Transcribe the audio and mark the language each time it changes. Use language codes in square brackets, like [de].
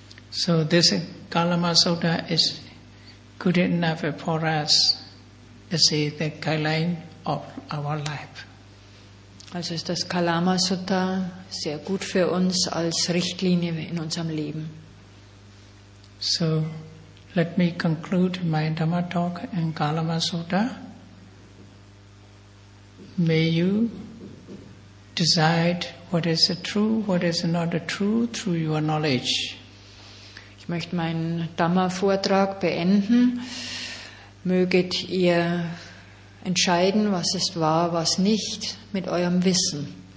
[en] So this Kalama Sutta is good enough for us to say the guideline of our life. [de] Also ist das Kalama Sutta sehr gut für uns als Richtlinie in unserem Leben. [en] So, let me conclude my Dhamma talk in Kalama Sutta. May you decide what is true, what is not true through your knowledge. [de] Ich möchte meinen Dhamma-Vortrag beenden. Möget ihr entscheiden, was ist wahr, was nicht, mit eurem Wissen.